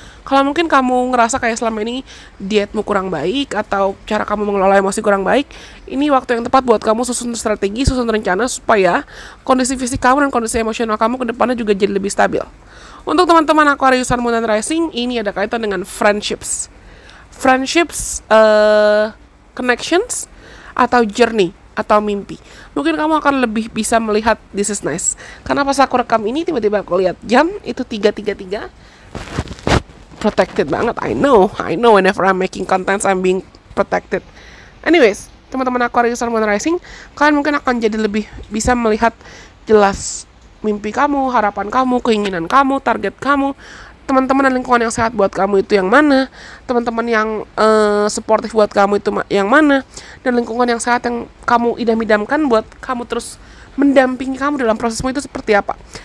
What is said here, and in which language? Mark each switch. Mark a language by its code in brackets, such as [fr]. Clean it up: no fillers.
[id] Kalau mungkin kamu ngerasa kayak selama ini dietmu kurang baik atau cara kamu mengelola emosi kurang baik, ini waktu yang tepat buat kamu susun strategi, susun rencana supaya kondisi fisik kamu dan kondisi emosional kamu ke depannya juga jadi lebih stabil. Untuk teman-teman Aquarius, Sun, Moon, and Rising, ini ada kaitan dengan friendships. Friendships, connections, atau journey, atau mimpi. Mungkin kamu akan lebih bisa melihat [en] this is nice. [id] Karena pas aku rekam ini, tiba-tiba aku lihat jam, itu 3:33. [en] Protected [id] banget, [en] I know, whenever I'm making contents, I'm being protected. [id] Anyways, teman-teman Aquarius, Sun, Moon, Rising, kalian mungkin akan jadi lebih bisa melihat jelas mimpi kamu, harapan kamu, keinginan kamu, target kamu, teman-teman dan lingkungan yang sehat buat kamu itu yang mana, teman-teman yang suportif buat kamu itu yang mana, dan lingkungan yang sehat yang kamu idam-idamkan buat kamu terus mendampingi kamu dalam prosesmu itu seperti apa.